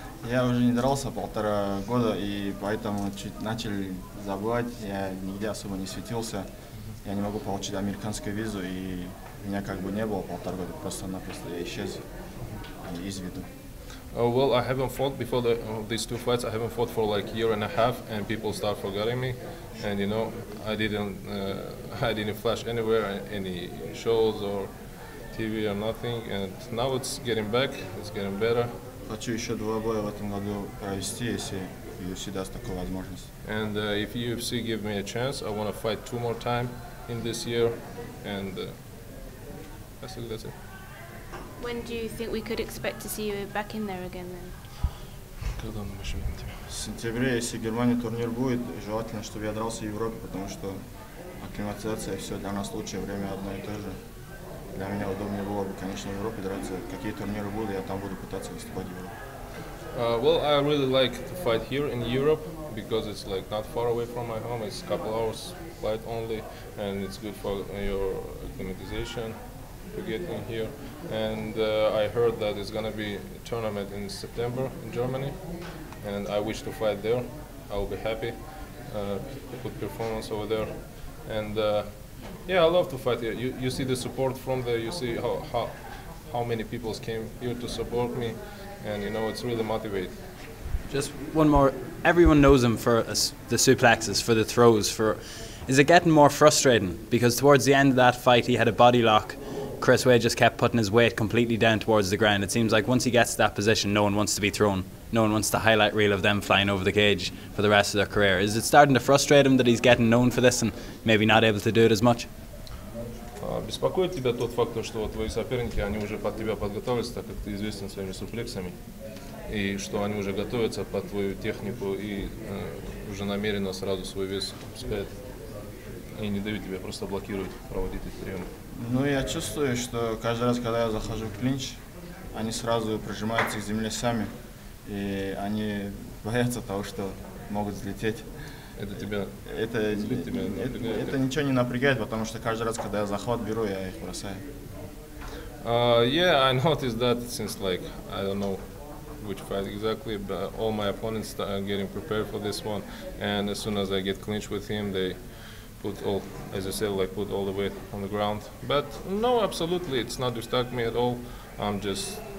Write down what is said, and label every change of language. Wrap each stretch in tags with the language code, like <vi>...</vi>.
<ru>Я уже не дрался полтора года, и поэтому чуть начали забывать. Я нигде особо не светился. Я не могу получить американскую визу, и меня как бы не было полтора года. Просто-напросто я исчез из виду.</ru> <en>Well, I haven't fought before these two fights. I haven't fought for like a year and a half, and people start forgetting me. And you know, I didn't flash anywhere, any shows or TV or nothing. And now it's getting back. It's getting better.</en> <ru>Хочу еще два боя в этом году провести, если UFC даст такую возможность.</ru> <en>And if UFC give me a chance, I want to fight two more time in this year. And that's it. When do you think we could expect to see you back in there again then?</en> <ru>Когда мы еще увидимся? В сентябре, если в Германии турнир будет, желательно, чтобы я дрался в Европе, потому что акклиматизация все для нас лучшее время одно и то же. Для меня удобнее было бы, конечно, в Европе драться. Какие турниры будут, я там буду пытаться выступать в Европе.</ru> <en>Well, I really like to fight here in Europe because it's like not far away from my home. It's a couple hours flight only, and it's good for your acclimatization to get in here. And I heard that it's gonna be a tournament in September in Germany, and I wish to fight there. I will be happy with performance over there, and. Yeah, I love to fight here. You see the support from there. You see how many people came here to support me, and you know it's really motivating. Just one more. Everyone knows him for the suplexes, for the throws. Is it getting more frustrating? Because towards the end of that fight, he had a body lock. Chris Wade just kept putting his weight completely down towards the ground. It seems like once he gets to that position, no one wants to be thrown. No one wants the highlight reel of them flying over the cage for the rest of their career. Is it starting to frustrate him that he's getting known for this and maybe not able to do it as much?</en> <ru>Беспокоит тебя тот факт, что твои соперники, они уже под тебя подготовились, так как ты известен своими суплексами, и что они уже готовятся под твою технику и уже намеренно сразу свой вес пускают и не дают тебе просто блокировать, проводить эти приемы? Ну, я чувствую, что каждый раз, когда я захожу в клинч, они сразу прижимаются к земле сами. И они боятся того, что могут взлететь. Это ничего не напрягает, потому что каждый раз, когда я захват беру, я их бросаю.</ru> <en>Yeah, I noticed that since like I don't know which fight exactly, but all my opponents are getting prepared for this one, and as soon as I get clinched with him, they put all, as I said, like put all the weight on the ground. But no, absolutely, it's not distracting me at all. I'm just.</en>